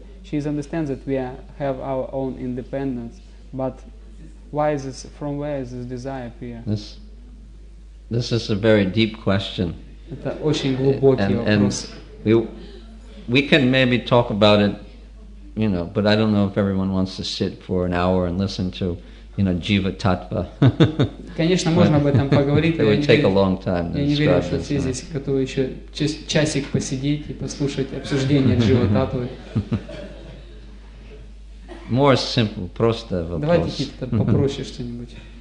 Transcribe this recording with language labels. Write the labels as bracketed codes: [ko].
[en] She understands that we have our own independence, but why is this? From where is this desire appear? This is a very deep question. [ru] Это очень глубокий вопрос. [en] We can maybe talk about it, you know, but I don't know if everyone wants to sit for an hour and listen to, you know, Jiva Tattva. [ru] Конечно, можно об этом поговорить. [en] It would take a long time. [ru] Я не верю, что все здесь готовы еще часик посидеть и послушать обсуждение Джива Таттвы. [en] More simple, [ru] просто вопрос. Давайте какие-то попроще что-нибудь.